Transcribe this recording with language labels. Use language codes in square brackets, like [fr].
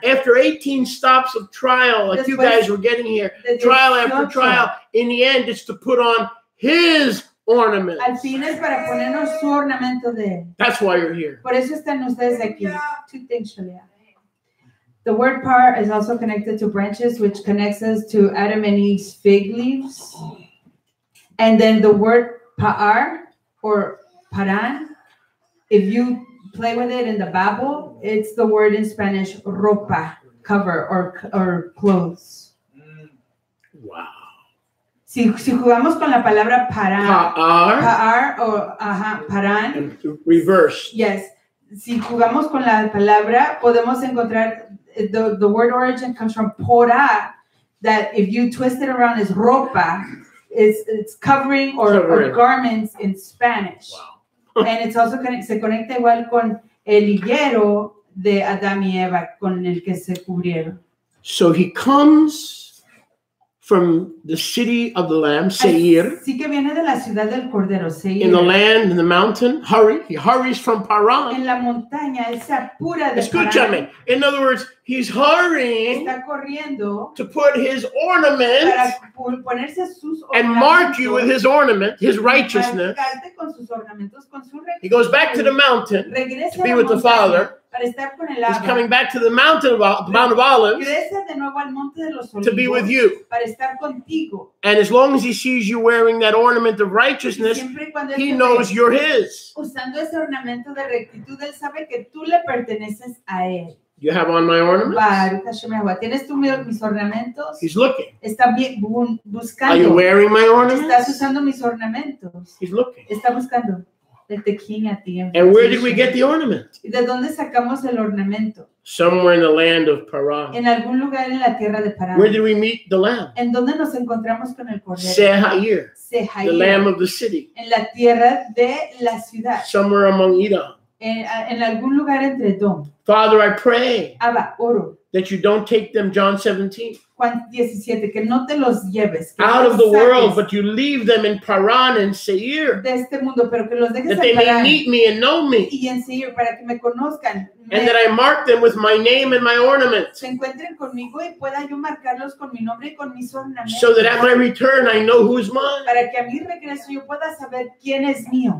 [en] After 18 stops of trial, like you guys were getting here, trial after trial, in the end, it's to put on his ornaments. [es] Al fin es para ponernos su ornamento de él. [en] That's why you're here. [es] Por eso están ustedes aquí. [en] Yeah. Two things, Shalia. The word par is also connected to branches, which connects us to Adam and Eve's fig leaves. And then the word par or paran, if you play with it in the Bible, it's the word in Spanish, ropa, cover or clothes. Wow. [es] Si jugamos con la palabra paran. [en] Par. Par or paran. And reverse. Yes. [es] Si jugamos con la palabra, podemos encontrar... [en] The word origin comes from pora, that if you twist it around is ropa, it's covering or garments in Spanish. Wow. And it's also [es] se conecta igual con el higuero de Adán y Eva, con el que se cubrieron. [en] So he comes from the city of the Lamb, Seir. [es] Sí que viene de la ciudad del Cordero, Seir. [en] In the land, in the mountain, hurry. He hurries from Paran. [es] En la montaña, él se apura de Escúchame. Escúchame. [en] In other words, he's hurrying. [es] Está corriendo. [en] To put his ornaments. [es] Para ponerse sus ornamentos. [en] And mark you with his ornament, his righteousness. [es] Para marcarte con sus ornamentos, con su rectitud. [en] He goes back to the mountain. [es] Regresa [en] to be with the Father. [es] Para estar con el [en] He's coming back to the mountain of the Mount of Olives [es] de nuevo al monte de los [en] to be with you. [es] Para estar contigo. [en] And as long as he sees you wearing that ornament of righteousness, he knows you're his. [es] Usando ese ornamento de rectitud, él sabe que tú le perteneces a él. [en] You have on my ornaments? [he] Baruch Hashem Yahweh. [es] ¿Tienes tú mis ornamentos? [en] He's looking. [es] Está buscando. [en] Are you wearing my ornaments? [es] Estás usando mis ornamentos. [en] He's looking. [es] Está buscando. [en] And where did we get the ornament? [es] ¿De dónde sacamos el ornamento? [en] Somewhere in the land of Paran. [es] En algún lugar en la tierra de Paran. [en] Where did we meet the lamb? [es] ¿En dónde nos encontramos con el cordero? [en] Sehair. [es] Sehair. [en] The lamb of the city. [es] En la tierra de la ciudad. [en] Somewhere among Edom. [es] En algún lugar entre Edom. [en] Father, I pray. [es] Abba, oro. [en] That you don't take them, John 17. [es] Juan 17, que no te los lleves. [en] Out of the world, but you leave them in Paran and Seir. [es] De este mundo, pero que los dejes [en] that they Paran, may meet me and know me. [es] Y en Seir, para que me conozcan. [en] And that I mark them with my name and my ornaments. [es] Se encuentren conmigo y pueda yo marcarlos con mi nombre y con mis ornamentos. [en] So that at my return, I know who's mine. [es] Para que a mi regreso yo pueda saber quién es mío.